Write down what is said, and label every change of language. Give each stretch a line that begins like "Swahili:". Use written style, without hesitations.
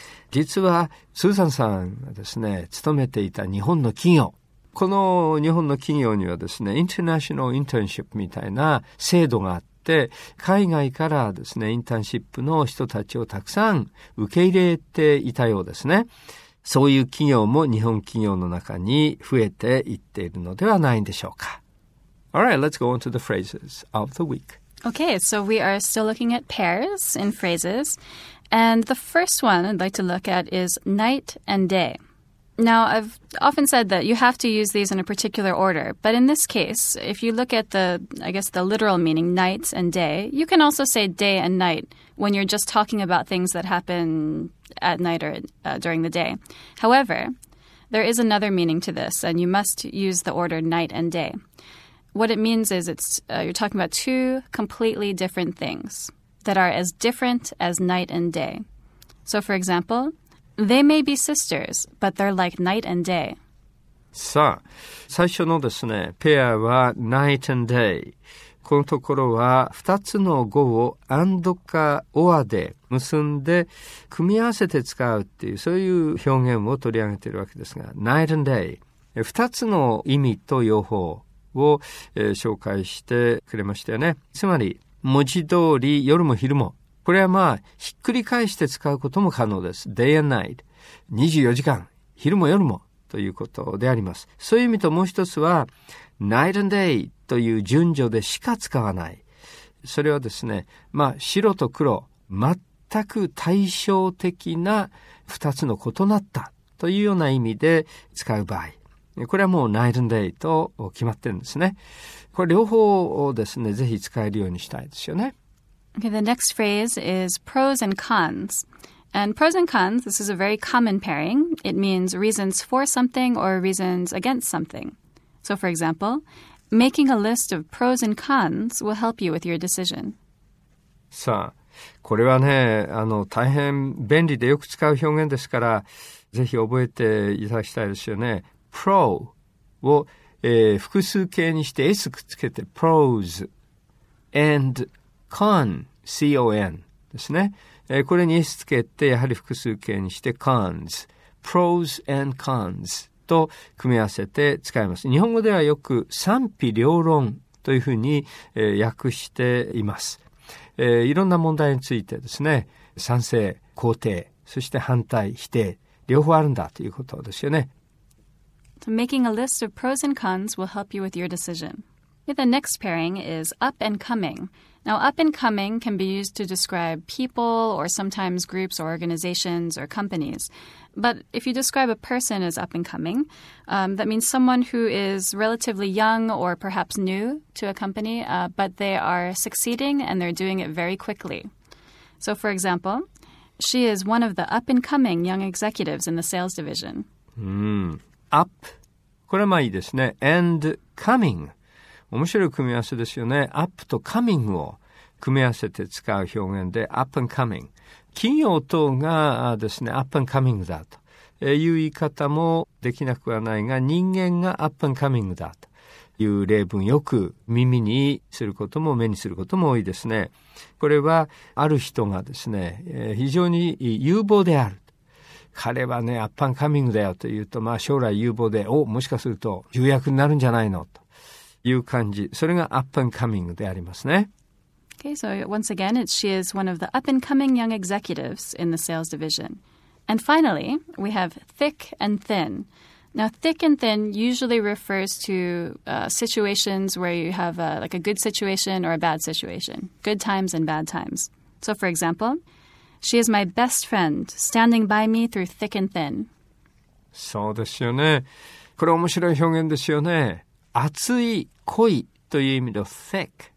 Japanese: 実はスーザンさんがですね、勤めていた日本の企業、この日本の企業にはですね、インターナショナルインターンシップみたいな制度があって、で海外からですねインターンシップの人たちをたくさん受け入れていたようですね。そういう企業も日本企業の中に増えていっているのではないんでしょうか。
English: All right, let's go on to the phrases of the week. Okay, so we are still looking at pairs in phrases. And the first one I'd like to look at is night and day. Now, I've often said that you have to use these in a particular order, but in this case, if you look at the, I guess, the literal meaning, night and day, you can also say day and night when you're just talking about things that happen at night or during the day. However, there is another meaning to this, and you must use the order night and day. What it means is it's you're talking about two completely different things that are as different as night and day. So, for example, They may be sisters, but they're like night and day.
Japanese: さあ、最初のですね、ペアは night and day。このところは2つの語を and か or で結んで組み合わせて使うっていう、そういう表現を取り上げているわけですが、night and day。 2つの意味と用法を、紹介してくれましたよね。つまり、文字通り夜も昼も。これはまあ、ひっくり返して使うことも可能です。 day and night。 24時間。昼も夜も。ということであります。そういう意味ともう一つは、night and day という順序でしか使わない。それはですね、まあ、白と黒。全く対照的な二つの異なった。というような意味で使う場合。これはもう night and day と決まってるんですね。これ両方をですね、ぜひ使えるようにしたいですよね。
English: Okay, the next phrase is pros and cons. And pros and cons, this is a very common pairing. It means reasons for something or reasons against something. So, for example, making a list of pros and cons will help you with your decision.
Japanese: さあ、これはね、大変便利でよく使う表現ですから、ぜひ覚えていただきたいですよね。 pro を、複数形にして S くっつけて pros and con, c-o-n ですね。これに S つけて、やはり複数形にして cons, pros and cons と組み合わせて使います。日本語ではよく賛否両論というふうに、訳しています、いろんな問題についてですね、賛成、肯定、そして反対、否定、両方あるんだということですよね。
English: So、making a list of pros and cons will help you with your decision. The next pairing is up and coming. Now, up and coming can be used to describe people or sometimes groups or organizations or companies. But if you describe a person as up and coming, that means someone who is relatively young or perhaps new to a company, but they are succeeding and they're doing it very quickly. So, for example, she is one of the up and coming young executives in the sales division. Up.
Japanese: これはまあいいですね。
English: And coming.
Japanese: 面白い組み合わせですよね。up と coming を組み合わせて使う表現で up and coming。企業等がですね、up and coming だという言い方もできなくはないが、人間が up and coming だという例文よく耳にすることも目にすることも多いですね。これはある人がですね、非常に有望である。彼はね、up and coming だよというと、まあ将来有望で、お、もしかすると重役になるんじゃないのと。いう感じ。それがアップアンカミングでありますね。
English: Okay, so once again, she is one of the up-and-coming young executives in the sales division. And finally, we have thick and thin. Now, thick and thin usually refers to situations where you have a good situation or a bad situation, good times and bad times. So, for example, she is my best friend, standing by me through thick and thin.
Japanese: そうですよね。これ面白い表現ですよね。熱い、濃いという意味の thick。